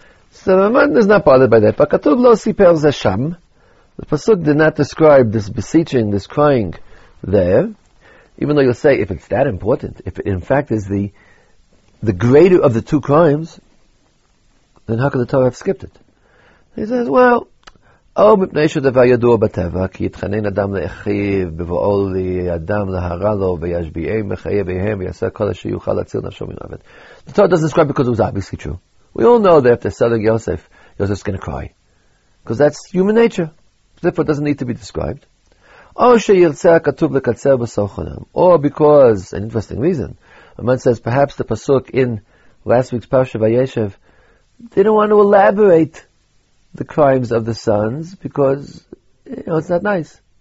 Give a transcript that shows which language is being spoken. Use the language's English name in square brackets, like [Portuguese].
[English] So the Ramban is not bothered by that. [Hebrew] Fakatub lo siper zesham. [English] The Pasuk did not describe this beseeching, this crying there, even though you'll say, if it's that important, if it in fact is the greater of the two crimes, then how could the Torah have skipped it? He says, well, [Hebrew] או מפני שדבר ידוע בטבע, כי יתחנן אדם לאחיו, בבואו לי אדם להרע לו, וישביעם בחייביהם, ויעשה כל אשר יוכל להציל נפשו מן המוות. [English] The Torah doesn't describe because it was obviously true. We all know that if they're selling Yosef, Yosef's going to cry. Because that's human nature. Therefore, it doesn't need to be described. Or because, an interesting reason, the man says perhaps the Pasuk in last week's Parsha Vayeshev didn't want to elaborate the crimes of the sons because, you know, it's not nice.